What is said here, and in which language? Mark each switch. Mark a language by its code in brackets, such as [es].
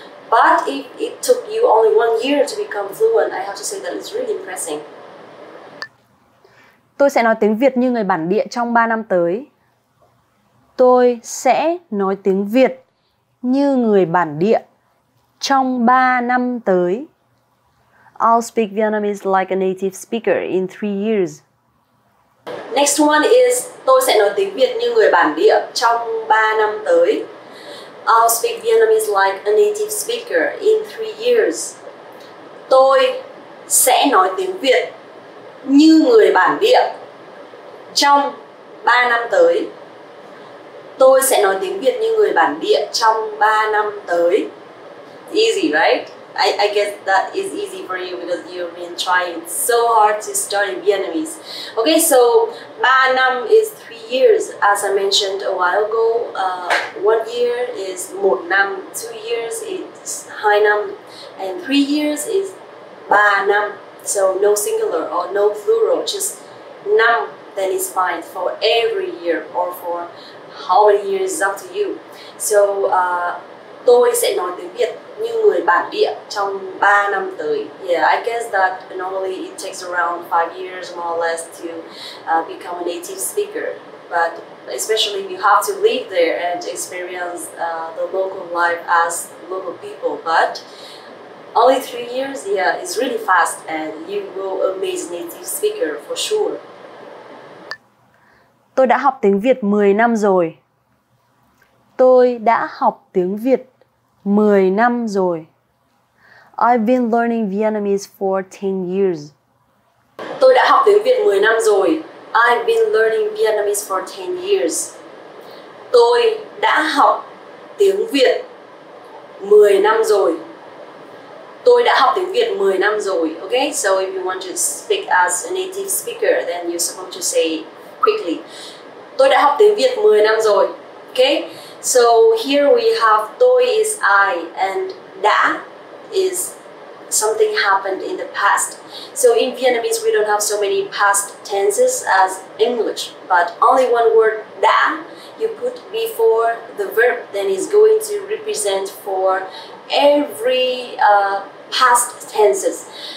[en] But it took you only 1 year to become fluent. I have to say that it's really impressive. [vi] Tôi sẽ nói tiếng Việt như người bản địa trong 3 năm tới. Tôi sẽ nói tiếng Việt như người bản địa trong 3 năm tới. [en] I'll speak Vietnamese like a native speaker in 3 years. Next one is [vi] tôi sẽ nói tiếng Việt như người bản địa trong 3 năm tới. [en] I'll speak Vietnamese like a native speaker in 3 years. [vi] Tôi sẽ nói tiếng Việt như người bản địa trong 3 năm tới. Tôi sẽ nói tiếng Việt như người bản địa trong 3 năm tới. [en] Easy, right? I guess that is easy for you because you've been trying so hard to study Vietnamese. Okay, so 3 năm is 3 years. As I mentioned a while ago, 1 year is 1 năm, 2 years is 2 năm, and 3 years is 3 năm. So no singular or no plural, just 5 that is fine for every year or for how many years is up to you. [vi] So tôi sẽ nói tiếng Việt như người bản địa trong 3 năm tới. [en] Yeah, I guess that normally it takes around 5 years more or less to become a native speaker. But especially you have to live there and experience the local life as local people. But only 3 years, yeah, it's really fast and you will amaze native speaker for sure. [vi] Tôi đã học tiếng Việt 10 năm rồi. Tôi đã học tiếng Việt 10 năm rồi. [en] I've been learning Vietnamese for 10 years. [vi] Tôi đã học tiếng Việt 10 năm rồi. [en] I've been learning Vietnamese for 10 years. [vi] Tôi đã học tiếng Việt 10 năm rồi. Tôi đã học tiếng Việt 10 năm rồi. [en] Okay, so if you want to speak as a native speaker, then you're supposed to say quickly. [vi] Tôi đã học tiếng Việt 10 năm rồi. [en] Okay? So here we have tôi is I and đã is something happened in the past. So in Vietnamese we don't have so many past tenses as English, but only one word đã you put before the verb then is going to represent for every past tenses.